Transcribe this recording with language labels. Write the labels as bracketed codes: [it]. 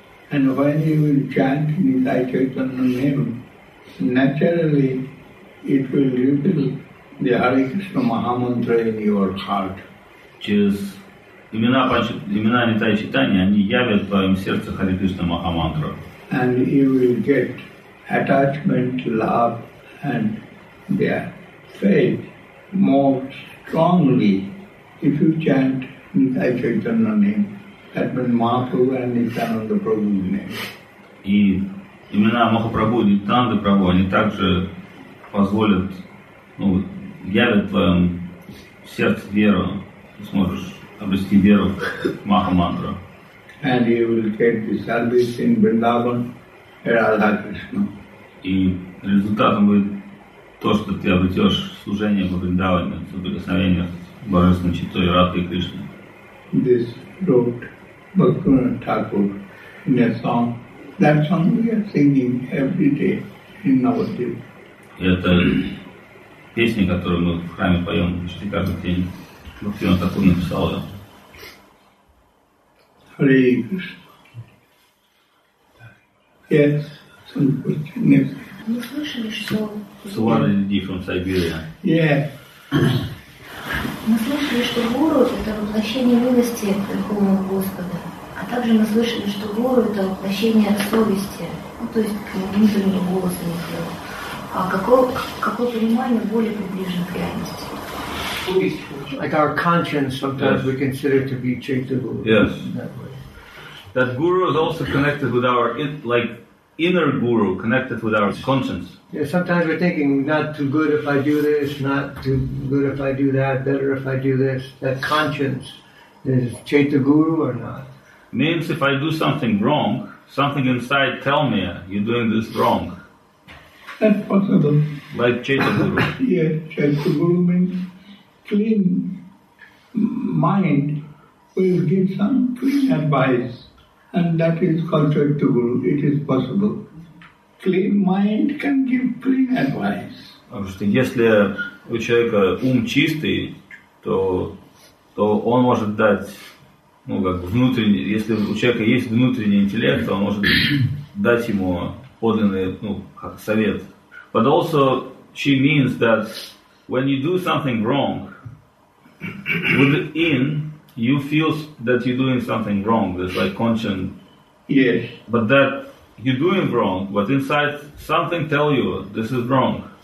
[en] And when you will chant Nitai Chaitanya name, naturally it will reveal the Hare Krishna Mahamantra in your heart. [ru] Через имена Нитай Чайтанья, они явят в твоем сердце Хари Кришна Махамантру. [en] And you will get attachment, love, and their faith more strongly if you chant Nitai Chaitanya name, that means Mahaprabhu and Nityananda Prabhu's name. [ru] И имена Махапрабху и Нитянанда Прабху, они также позволят, явят в твоем сердце веру, ты сможешь обрести веру в Махамантру. [en] and he will get the service in Vrindavan, Radha Krishna. [ru] И результатом будет то, что ты обретешь служение во Вриндаване, соприкосновение с Божественным Читой Радхи Кришны. [en] This wrote Bhaktivinoda Thakur in a song. That song we are singing every day in Navadvip. [ru] Это песня, которую мы в храме поем почти каждый день. Бхактивинода Тхакур написал ее. [en] Hare Krishna. Yes, some question. Yes. Суара Леди from Siberia. Yeah. [ru] Мы слышали, что гуру – это воплощение милости Верховного Господа. А также мы слышали, что гуру – это воплощение совести, ну, то есть внутреннего голоса Михаила. А какое понимание более приближено к реальности? [en] Like our conscience sometimes yes. We consider to be Chaitanya Guru. Yes. That guru is also connected with our inner guru, connected with our conscience. Yeah, sometimes we're thinking, not too good if I do this, not too good if I do that, better if I do this. That conscience, is Chaitanya Guru or not? Means if I do something wrong, something inside tell me, you're doing this wrong. That's possible. Like Chaitanya Guru. Yeah, Chaitanya Guru means clean mind will give some clean advice. And that is called Chaitanya Guru. It is possible. Clean mind can give clean advice. [ru] Потому что если у человека ум чистый, то он может дать, ну как внутренний. Если у человека есть внутренний интеллект, то он может дать ему подлинный, ну как совет. [en] But also she means that when you do something wrong, within you feel that you're doing something wrong. There's like conscience. Yes. But that you're doing wrong, but inside something tell you this is wrong.